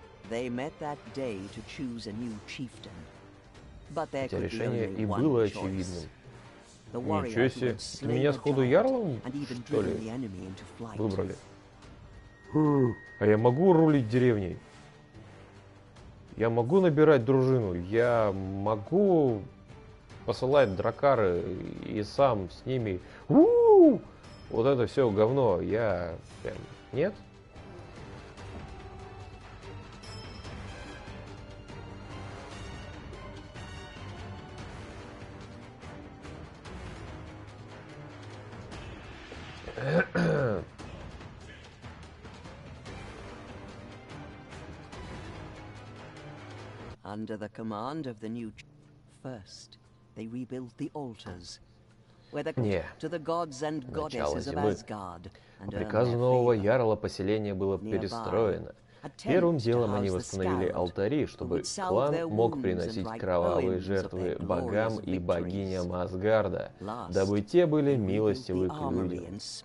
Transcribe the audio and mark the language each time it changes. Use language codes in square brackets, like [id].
[en] They met that day to choose a new chieftain, but there could be only one choice. The warrior who slayed the giant and even driven the enemy into flight. [ru] Выбрали. А я могу рулить деревней? Я могу набирать дружину? Я могу посылать дракары и сам с ними? Вот это все говно. Я прям нет. Кхе-кхе. [en] Under the command of the new... First, they rebuild the altars. [ru] Не, сначала зимы. По приказу нового ярла поселение было перестроено. Первым делом они восстановили алтари, чтобы клан мог приносить кровавые жертвы богам и богиням Асгарда, дабы те были милостивы к людям.